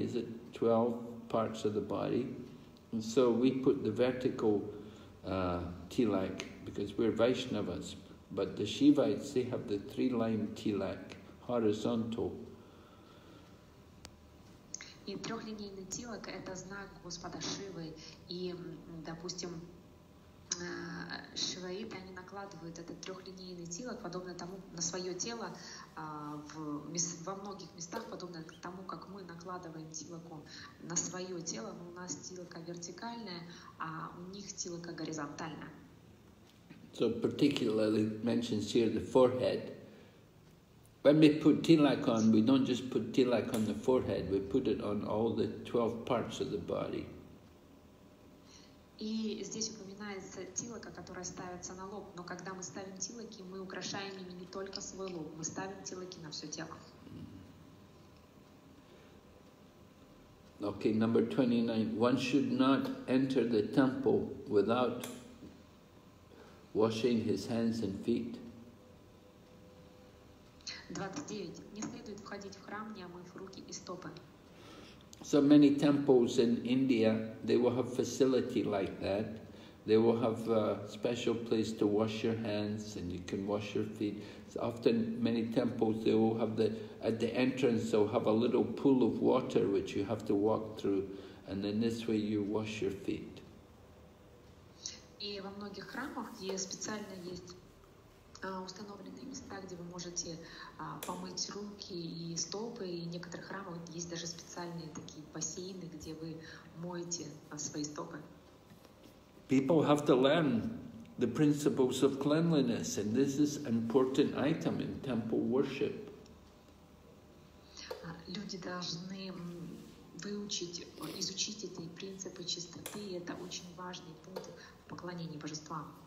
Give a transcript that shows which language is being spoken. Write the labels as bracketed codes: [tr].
[en] Is it 12 parts of the body? And so we put the vertical tilak because we're Vaishnavas, but the Shivites, they have the three line tilak horizontal. [ru] И трехлинейный тилак – это знак Господа Шивы. И, допустим, шиваиты, они накладывают этот трехлинейный тилак, подобно тому, на свое тело, во многих местах, подобно тому, как мы накладываем тилаком на свое тело. Но у нас тилака вертикальная, а у них тилака горизонтальная. [en] So particularly mentions here the forehead. When we put tilak on, we don't just put tilak on the forehead, we put it on all the 12 parts of the body. [ru] И здесь упоминается тилака, которая ставится на лоб, но когда мы ставим тилаки, мы украшаем ими не только свой лоб, мы ставим тилаки на все тело. [en] Okay, number 29. One should not enter the temple without washing his hands and feet. [ru] 29. Не следует входить в храм, не омыв руки и стопы. [en] So many temples in India, they will have facility like that. They will have a special place to wash your hands and you can wash your feet. So often many temples, they will have at the entrance, they'll have a little pool of water which you have to walk through. and in this way you wash your feet. [ru] И во многих храмах специально есть установленные места, где вы можете помыть руки и стопы, и в некоторых храмах есть даже специальные такие бассейны, где вы моете свои стопы. [en] People have to learn the principles of cleanliness, and this is an important item in temple worship. [ru] Люди должны выучить, изучить эти принципы чистоты, и это очень важный пункт в поклонении божествам.